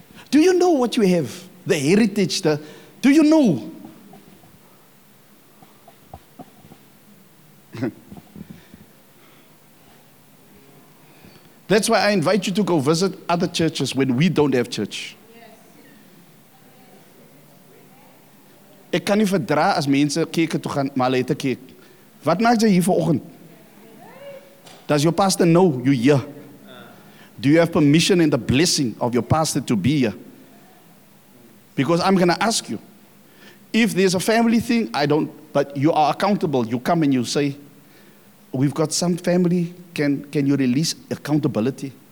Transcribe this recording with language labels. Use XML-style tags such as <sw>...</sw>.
<en>Do you know what you have? The heritage, do you know? That's why I invite you to go visit other churches when we don't have church.</en> <af>Ek kan nie verdra as mense kerke toe gaan, maar hulle het 'n kerk. Wat maak jy hier vanoggend?</af> <en>Does your pastor know you here? Do you have permission and the blessing of your pastor to be here? Because I'm going to ask you. If there's a family thing, I don't, but you are accountable. You come and you say, we've got some family, can you release accountability?</en>